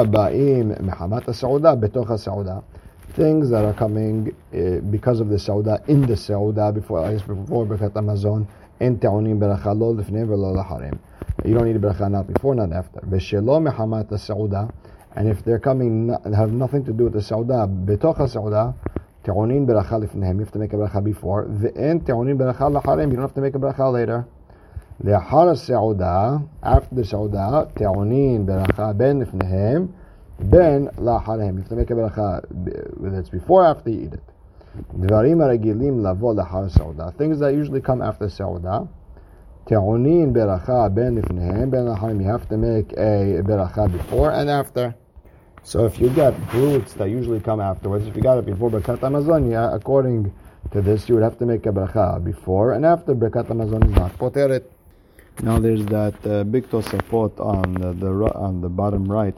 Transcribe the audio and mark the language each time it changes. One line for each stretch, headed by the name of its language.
English: Things that are coming because of the Sauda, in the Sauda, before Birkat HaMazon, you don't need Birkat not before, not after. And if they're coming, have nothing to do with the Sauda, Betocha Sauda, you have to make a Birkat before, you don't have to make a Birkat later.
Hebrew: לאחר הסעודה,
English: after the
Hebrew: סעודה, טעונים ברכה בין לפניהם, בין לאחריהם.
English: If you make a ברכה, that's before, after you eat it.
Hebrew: דברים הרגילים לבוא לאחר הסעודה.
English: Things that usually come after the סעודה.
Hebrew: טעונים ברכה בין לפניהם, בין לאחריהם.
English: You have to make a ברכה before and after. So if you got fruits that usually come afterwards, if you got it before ברכת המזון, according to this, you would have to make a ברכה before and after. ברכת המזון is not פותרת. Now there's that big Tosafot on the bottom right.